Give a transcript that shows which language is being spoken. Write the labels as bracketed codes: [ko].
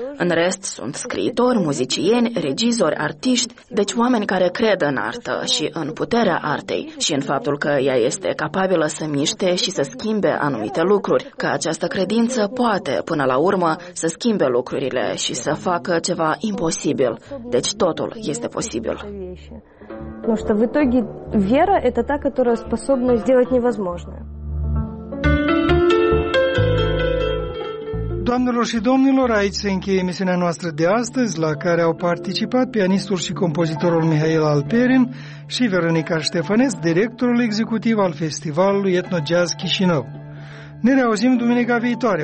[ro] În rest sunt scriitori, muzicieni, regizori, artiști, deci oameni care cred în artă și în puterea artei și în faptul că ea este capabilă să miște și să schimbe anumite lucruri, că această credință poate, până la urmă, să schimbe lucrurile și să facă ceva imposibil. Deci totul este posibil. [ru] Ну что, в итоге вера это та, которая способна сделать невозможное. [ro] Doamnelor și domnilor, aici se încheie emisiunea noastră de astăzi, la care au participat pianistul și compozitorul Mihail Alperin și Veronica Ștefăneț, directorul executiv al Festivalului Etno Jazz Chișinău. Ne reauzim duminica viitoare.